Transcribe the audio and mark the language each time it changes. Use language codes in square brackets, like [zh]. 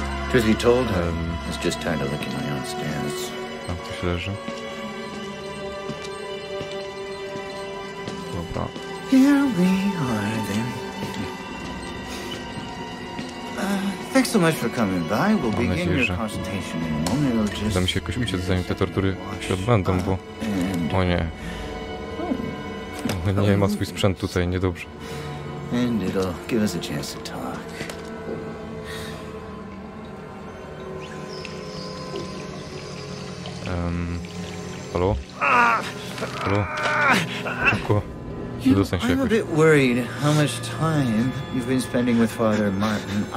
[en] Truth be told, I was just tired of licking my own stairs. [pl] Tam coś leży. Dobra. [en] Here we are then. Thanks so much for coming by. We'll begin your consultation in a moment. We'll just... [pl] Da mi się jakoś uciec zanim te tortury się odbędą, bo... O nie. Nie ma swój sprzęt tutaj, niedobrze. [en] And it'll give us a chance to talk. [pl] Halo? Halo? Szybko. Dostań się jakoś. [en] I'm a bit worried how much time you've been spending with Father Martin.